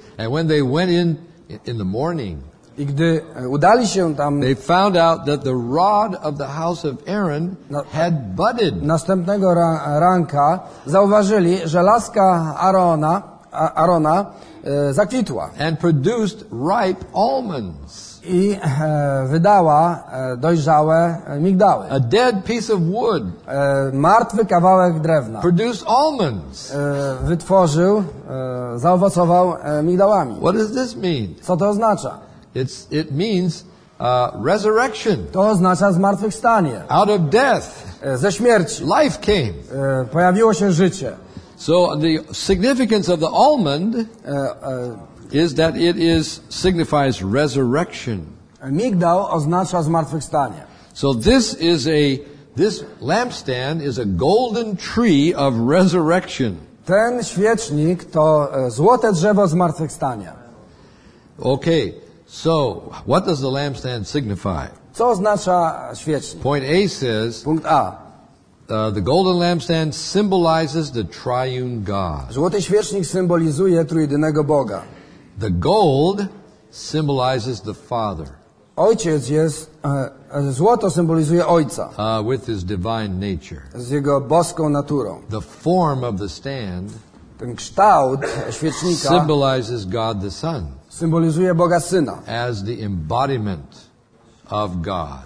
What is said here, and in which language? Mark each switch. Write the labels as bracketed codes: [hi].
[en] And when they went in the morning, [pl] i gdy udali się tam, [en] they found out that the rod of the house of Aaron had budded. [pl] Następnego ranka zauważyli, że laska Arona zakwitła. [en] And produced ripe almonds. [pl] I wydała dojrzałe migdały. [en] A dead piece of wood. [pl] Martwy kawałek drewna. [en] Produced almonds. [pl] Wytworzył, zaowocował migdałami. [en] What does this mean? [pl] Co to oznacza? [en] It means resurrection. [pl] To oznacza zmartwychwstanie. [en] Out of death. [pl] Ze śmierci. [en] Life came. [pl] Pojawiło się życie. [en] So the significance of the almond is that it is signifies resurrection. [pl] Migdał oznacza zmartwychwstanie. [en] So this lampstand is a golden tree of resurrection. [pl] Ten świecznik to złote drzewo zmartwychwstania. [en] Okay. So, what does the lampstand signify? [pl] Co oznacza świecznik? [en] Point A says, [pl] punkt A. [en] The golden lampstand symbolizes the triune God. [pl] Złoty świecznik symbolizuje trójjedynego Boga. [en] The gold symbolizes the Father. [pl] Ojciec jest, złoto symbolizuje Ojca. [en] With his divine nature. [pl] Z jego boską naturą. [en] The form of the stand [pl] ten kształt świecznika [en] symbolizes God the Son. [pl] Symbolizuje Boga Syna. [en] As the embodiment of God.